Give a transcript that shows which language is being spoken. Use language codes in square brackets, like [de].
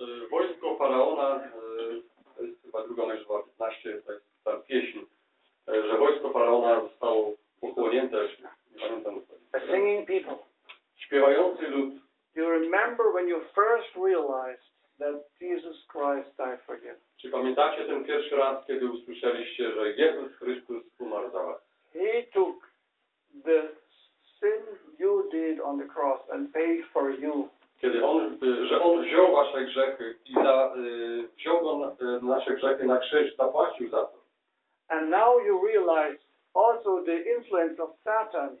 [pl] Wojsko Faraona, to jest chyba druga Mojżeszowa 15, to jest ta pieśń, że wojsko Faraona zostało pochłonięte. [en] A singing people. [pl] Śpiewający lud. [en] Do you remember when you first realized that Jesus Christ died for you? [pl] Czy pamiętacie ten pierwszy raz, kiedy usłyszeliście, że Jezus Chrystus umarł za was? [en] He took the sin you did on the cross and paid for you. [pl] Kiedy on, że on wziął wasze grzechy i za, wziął on nasze grzechy na krzyż, zapłacił za to. [en] And now you realize also the influence of Satan.